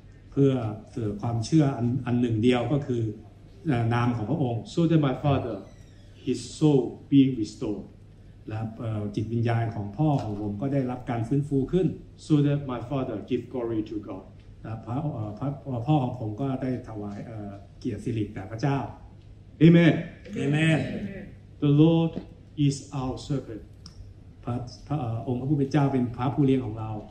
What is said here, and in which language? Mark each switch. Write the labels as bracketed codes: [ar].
[th] เพื่อความเชื่ออันหนึ่งเดียวก็คือนามของพระองค์ [en] so that my father, his soul being restored [th] และจิตวิญญาณของพ่อของผมก็ได้รับการฟื้นฟูขึ้น [en] so that my father give glory to God [th] และพ่อของผมก็ได้ถวายเกียรติสิริแด่พระเจ้า [en] Amen Amen The Lord is our shepherd [th] พระองค์พระผู้เป็นเจ้าเป็นพระผู้เลี้ยงของเรา